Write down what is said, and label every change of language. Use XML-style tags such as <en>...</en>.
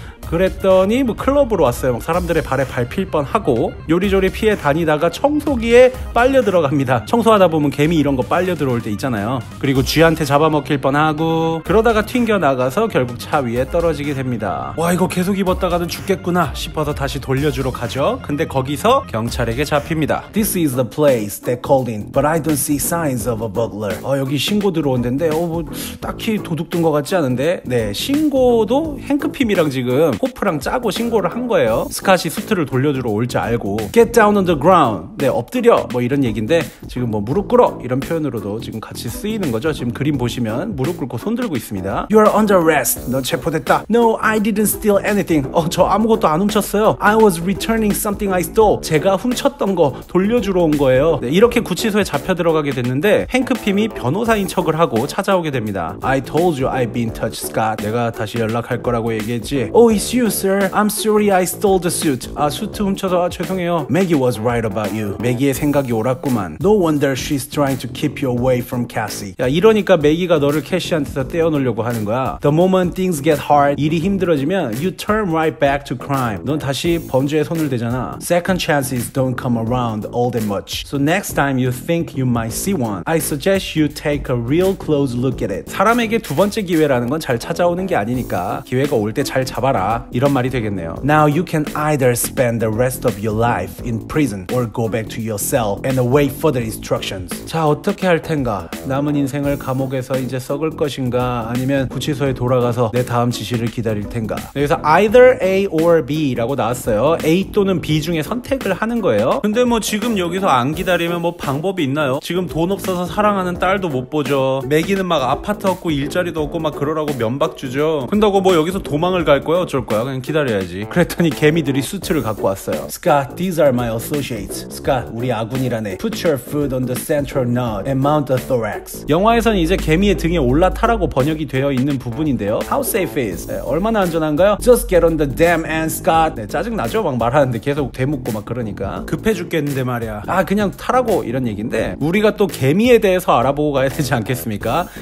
<ko>그랬더니 뭐 클럽으로 왔어요. 막 사람들의 발에 밟힐 뻔하고 요리조리 피해 다니다가 청소기에 빨려 들어갑니다. 청소하다 보면 개미 이런 거 빨려 들어올 때 있잖아요. 그리고 쥐한테 잡아먹힐 뻔하고 그러다가 튕겨나가서 결국 차 위에 떨어지게 됩니다. 와, 이거 계속 입었다가는 죽겠구나 싶어서 다시 돌려주러 가죠. 근데 거기서 경찰에게 잡힙니다.</ko> <en>This is the place they called in, but I don't see signs of a burglar.</en> <ko>여기 신고 들어온 데인데 뭐 딱히 도둑 든 것 같지 않은데. 네, 신고도 행크핌이랑 지금 호프랑 짜고 신고를 한 거예요. 스캇이 수트를 돌려주러 올 줄 알고</ko> <en>Get down on the ground.</en> <ko>네, 엎드려 뭐 이런 얘긴데 지금 뭐 무릎 꿇어 이런 표현으로도 지금 같이 쓰이는 거죠. 지금 그림 보시면 무릎 꿇고 손 들고 있습니다.</ko> <en>You are under arrest.</en> <ko>너 체포됐다.</ko> <en>No, I didn't steal anything.</en> <ko>저 아무것도 안 훔쳤어요.</ko> <en>I was returning something I stole.</en> <ko>제가 훔쳤던 거 돌려주러 온 거예요. 네, 이렇게 구치소에 잡혀 들어가게 됐는데 행크 핌이 변호사인 척을 하고 찾아오게 됩니다.</ko> <en>I told you I'd be in touch, Scott.</en> <ko>내가 다시 연락할 거라고 얘기했지.</ko> <en>Oh, it's you, sir. I'm sorry I stole the suit.</en> <ko>아, 수트 훔쳐서 아, 죄송해요.</ko> <en>Maggie was right about you.</en> <ko>Maggie의 생각이 옳았구만.</ko> <en>No wonder she's trying to keep you away from Cassie.</en> <ko>야, 이러니까 Maggie가 너를 캐시한테서 떼어놓으려고 하는 거야.</ko> <en>The moment things get hard,</en> <ko>일이 힘들어지면</ko> <en>you turn right back to crime.</en> <ko>넌 다시 범죄에 손을 대잖아.</ko> <en>Second chances don't come around all that much. So next time you think you might see one, I suggest you take a real close look at it.</en> <ko>사람에게 두 번째 기회라는 건 잘 찾아오는 게 아니니까 기회가 올 때 잘 잡아 봐라, 이런 말이 되겠네요.</ko> <en>Now you can either spend the rest of your life in prison or go back to your cell and await further instructions.</en> <ko>자, 어떻게 할 텐가? 남은 인생을 감옥에서 이제 썩을 것인가? 아니면 구치소에 돌아가서 내 다음 지시를 기다릴 텐가? 여기서 either A or B라고 나왔어요. A 또는 B 중에 선택을 하는 거예요. 근데 뭐 지금 여기서 안 기다리면 뭐 방법이 있나요? 지금 돈 없어서 사랑하는 딸도 못 보죠. 매기는 막 아파트 없고 일자리도 없고 막 그러라고 면박 주죠. 근다고 뭐 여기서 도망을 갈 거야 어쩔 거야? 그냥 기다려야지. 그랬더니 개미들이 수트를 갖고 왔어요.</ko> <en>Scott, these are my associates. Scott,</en> <ko>우리 아군이라네.</ko> <en>Put your foot on the central nod and mount the thorax.</en> <ko>영화에서는 이제 개미의 등에 올라타라고 번역이 되어 있는 부분인데요.</ko> <en>How safe is?</en> <ko>네, 얼마나 안전한가요?</ko> <en>Just get on the damn end, Scott.</en> <ko>네, 짜증나죠? 막 말하는데 계속 되묻고 막 그러니까. 급해 죽겠는데 말이야. 아, 그냥 타라고 이런 얘기인데 우리가 또 개미에 대해서 알아보고 가야 되지 않겠습니까?</ko>